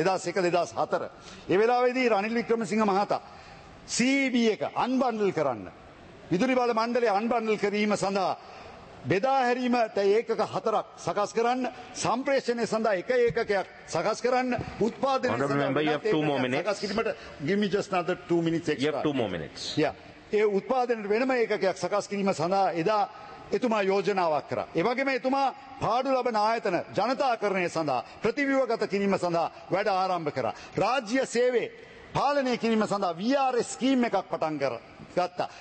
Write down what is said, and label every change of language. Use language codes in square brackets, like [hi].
[si] 2001 2004. ඒ වෙලාවේදී රනිල් වික්‍රමසිංහ මහතා CB එක අන්බන්ඩල් කරන්න. විදුලි බල මණ්ඩලය අන්බන්ඩල් කිරීම සඳහා බෙදා හැරීමට ඒකක 4ක් සකස් කරන්න සම්ප්‍රේෂණය සඳහා එක ඒකකයක් සකස් කරන්න උත්පාදනය සඳහා [en] Honorable member you have 2 more minutes. [si] සකස් කිරීමට [en] give me just another 2 minutes extra. You have 2 more minutes. Yeah. [si] ඒ උත්පාදනයේ වෙනම ඒකකයක් සකස් කිරීම සඳහා එදා එතුමා යෝජනාවක් කරා. ඒ වගේම එතුමා පාඩු ලබන ආයතන ජනතාකරණය සඳහා ප්‍රතිව්‍යුහගත කිරීම සඳහා වැඩ ආරම්භ කරා. රාජ්‍ය සේවයේ පාලනය කිරීම සඳහා VRS ස්කීම් එකක් පටන් ගත්තා.